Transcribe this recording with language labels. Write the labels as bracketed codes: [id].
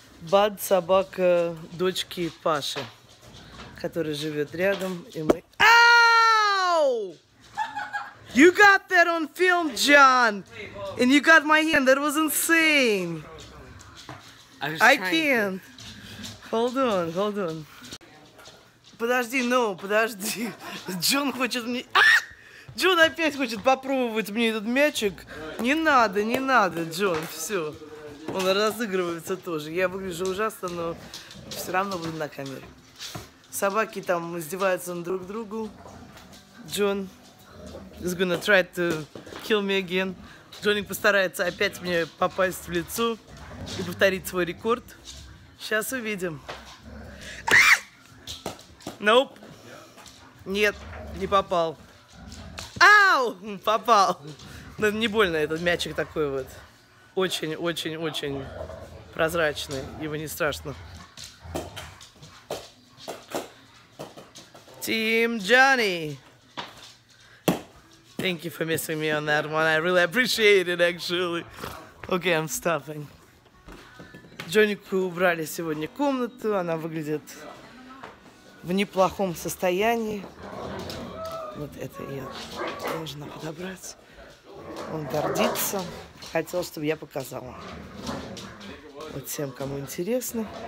[ru] Бад — собака дочки Паши, которая живет рядом, и мы... [en] Ow! You got that on film, John! And you got my hand. That was insane! I can't. Hold on. [ru] Подожди. Джон хочет мне... Джон опять хочет попробовать мне этот мячик. Не надо, Джон. Все. Он разыгрывается тоже. Я выгляжу ужасно, но все равно буду на камере. Собаки там издеваются на друг другу. [en] Джон is gonna try to kill me again. [ru] Джоник постарается опять мне попасть в лицо и повторить свой рекорд. Сейчас увидим. Ноуп. Нет, не попал. Ау! Попал. Но не больно этот мячик такой вот. Очень-очень-очень прозрачный. Его не страшно. [en] Team Johnny. Thank you for missing me on that one. I really appreciate it, actually. Okay, I'm stopping. [ru] Джонику убрали сегодня комнату. Она выглядит в неплохом состоянии. Вот это я должна подобрать. Он гордится. Хотел, чтобы я показала. Вот всем, кому интересно.